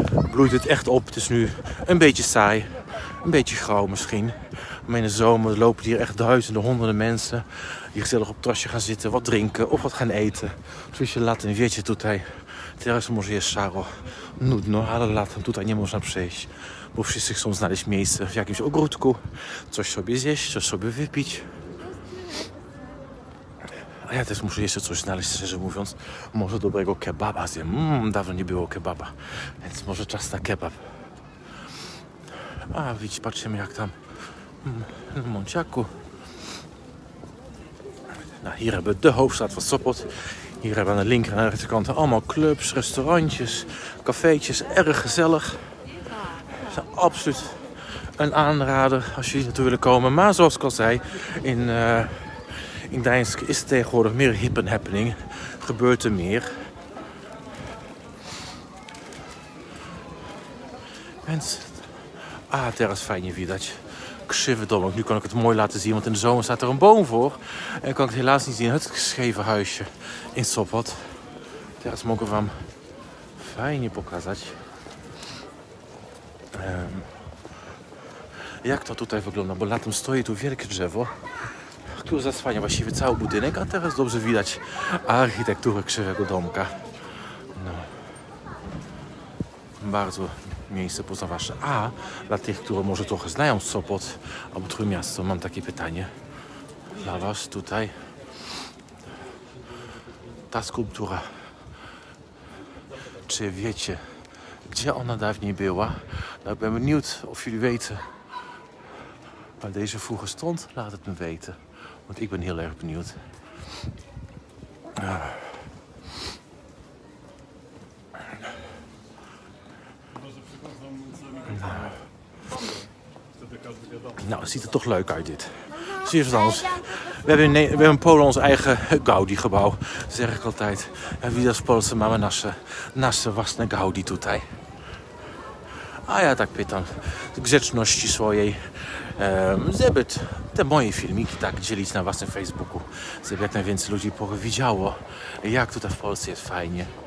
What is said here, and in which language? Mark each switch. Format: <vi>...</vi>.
<nl>Bloeit het echt op. Het is nu een beetje saai. Een beetje grauw misschien. Maar in de zomer lopen hier echt duizenden, honderden mensen. Die gezellig op het terrasje gaan zitten, wat drinken of wat gaan eten. Zoals je laat een wiertje doet hij.</nl> <pl>Teraz może jest szaro, nudno, ale latem tutaj nie można przejść, bo wszyscy chcą znaleźć miejsce w jakimś ogródku, coś sobie zjeść, coś sobie wypić. A ja też muszę jeszcze coś znaleźć, szczerze mówiąc, może dobrego kebaba zjem. Dawno nie było kebaba, więc może czas na kebab. A widzicie, patrzymy jak tam na Mociaku.</pl> <nl>Nou, hier hebben we de hoofdstraat van Sopot. Hier hebben we aan de linker en de rechterkant allemaal clubs, restaurantjes, cafeetjes. Erg gezellig. Het is absoluut een aanrader als jullie naartoe willen komen. Maar zoals ik al zei, in Gdańsk is het tegenwoordig meer hip en happening. Gebeurt er meer.</nl> <pl>Mensen. Ah, teraz fajnie widać. Krzywy domek.</pl> <nl>Nu kan ik het mooi laten zien, want in de zomer staat er een boom voor. En kan ik het helaas niet zien. Het scheve huisje in Sopot.</nl> <pl>Teraz mogę wam fajnie pokazać. Jak to tutaj wygląda? Bo latem stoi tu wielkie drzewo, które zasłania właściwie cały budynek, a teraz dobrze widać architekturę krzywego domka. No. Bardzo miejsce poza wasze. A dla tych, które może trochę znają Sopot albo Trójmiasto, mam takie pytanie dla was tutaj. Ta skulptura. Czy wiecie, gdzie ona dawniej była.</pl> <nl>Nou, ik ben benieuwd of jullie weten waar deze vroeger stond. Laat het me weten, want ik ben heel erg benieuwd. Nou, het ziet er toch leuk uit dit. Zie je wat anders? We hebben in Polen ons eigen Gaudi-gebouw, zeg ik altijd. En wie dat Poolse</nl> <pl>mama nasze własne Gaudi tutaj. A ja tak pytam, grzeczności swojej, żeby te moje filmiki tak dzielić na własnym Facebooku, żeby jak najwięcej ludzi widziało, jak tutaj w Polsce jest fajnie.</pl>